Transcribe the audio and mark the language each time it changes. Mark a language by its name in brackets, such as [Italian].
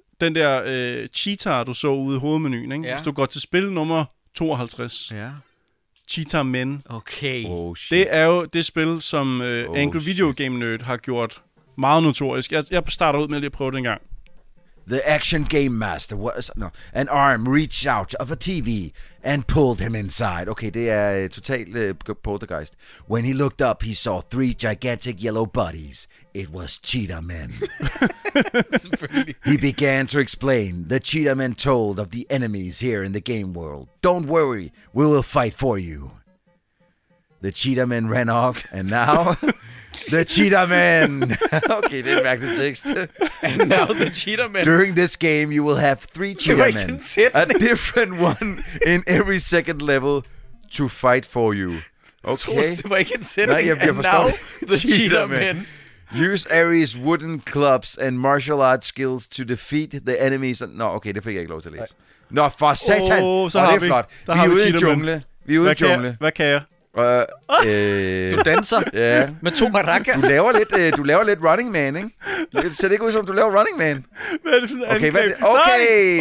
[Danish] Den der cheetah, du så ude i hovedmenuen. Ikke? Ja. Hvis du går til spil nummer 52. Ja. Cheetah Men. Okay. Oh, det er jo det spil, som Angry Video Game Nerd har gjort meget notorisk. Jeg starter ud med lige at prøve det en gang. [English] The action game master was... No, an arm reached out of a TV and pulled him inside. [Danish] Okay, det er totalt poltergeist. [English] When he looked up, he saw three gigantic yellow bodies. It was Cheetah Men. He began to explain. The Cheetah Men told of the enemies here in the game world. Don't worry, we will fight for you. The Cheetah Men ran off, and now... The Cheetah Men. [Danish] Okay, det er mærkeligt tekst. [English] And now the Cheetah Men. During this game, you will have three Cheetah Men. A different one in every second level to fight for you. Okay. [Danish] Det var ikke en sætning. Nej, jeg forstår. [English] Now the Cheetah Men. Use Ares' wooden clubs and martial arts skills to defeat the enemies. No, okay, [Danish] det fik jeg ikke lov til at læse. Nå, for satan. Så har vi. Vi er ude i jungle. Vi er ude i jungle. Hvad kan jeg? Du danser med to maracas. Du laver lidt Running Man, ikke? Det ser ikke ud som du laver Running Man. Hvad er det for en angreb? Okay,